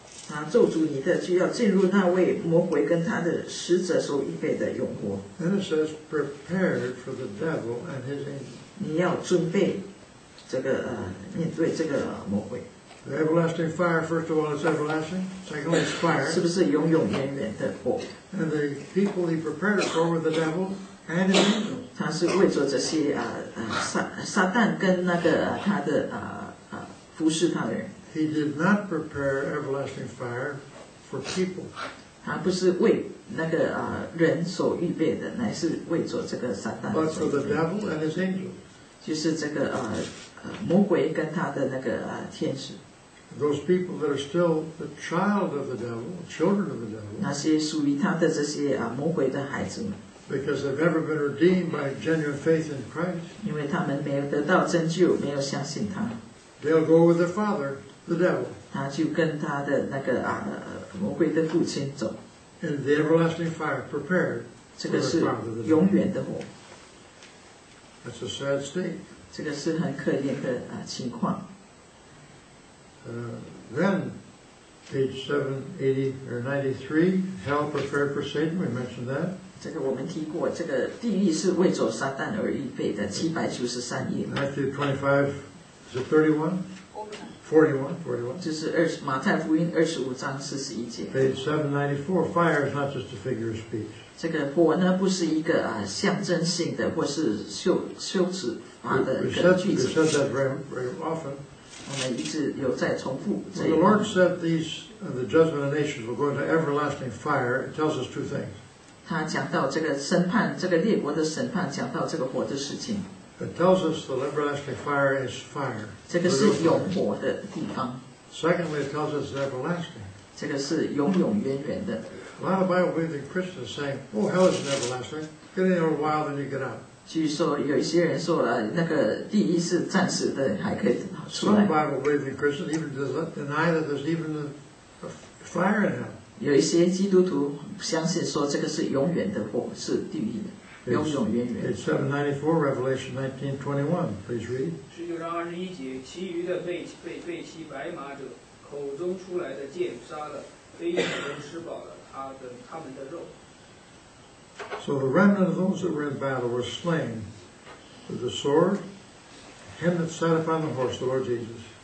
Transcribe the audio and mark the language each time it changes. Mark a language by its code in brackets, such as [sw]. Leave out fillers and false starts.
[zh] 啊，咒诅你的就要进入那位魔鬼跟他的使者所预备的永火。 [en] Then it says, prepared for the devil and his angels. [zh] 你要准备这个面对这个魔鬼。 [en] The everlasting fire, first of all, is everlasting. Secondly, it's fire. [zh] 是不是永永远远的火 [en] ？And the people he prepared for were the devil. And his angels. [zh] 他是为着这些撒旦跟那个他的服侍他的人。 [en] He did not prepare everlasting fire for people. [zh] 他不是为那个人所预备的，乃是为着这个撒旦。 [en] But for the devil and his angels. [zh] 就是这个魔鬼跟他的那个天使。 [en] Those people that are still the child of the devil, children of the devil. [zh] 那些属于他的这些魔鬼的孩子们。 [en] Because they've never been redeemed by genuine faith in Christ. [zh] 因为他们没有得到拯救，没有相信他。 [en] They'll go with their father, the devil. [zh] 他就跟他的那个魔鬼的父亲走。 [en] In the everlasting fire, prepared for the father of the devil. [zh] 永远的火。 [en] That's a sad state. [zh] 这个是很可怜的情况。 [en] Then, page 780 or 93, hell prepared for Satan. We mentioned that. [zh] 这个我们提过，这个地狱是为着撒旦而预备的，793页。 [en] Matthew 25:31。 41. [zh] 就是马太福音25:41。 [en] Page 794, fire is not just a figure of speech. [zh] 这个火呢不是一个象征性的或是修辞法的一个句子。 [en] We said that very, very often. [zh] 我们一直有在重复这一段。 [en] When the Lord said the judgment of nations will go into everlasting fire, it tells us two things. [zh] 他讲到这个审判，这个列国的审判，讲到这个火的事情。 [en] It tells us the everlasting fire is fire. [zh] 这个是永火的地方。 [en] Secondly, it tells us it's everlasting. [zh] 这个是永永远远的。 [en] A lot of Bible believing Christians saying, "Oh, hell is everlasting. Get in there a while, then you get out." [zh] 据说有一些人说了，那个地狱是暂时的，还可以出来。 [en] Some Bible believing Christians even deny that there's even a fire in hell. [zh] 有一些基督徒相信说这个是永远的火，是地狱的。 [en] It's 794, Revelation 19:21. Please read. [zh] 19:21，其余的被骑白马者口中出来的剑杀了，飞鸟都吃饱了他们的肉。 [en] So the remnant of those that were in battle were slain with the sword, him that sat upon the horse, the Lord Jesus.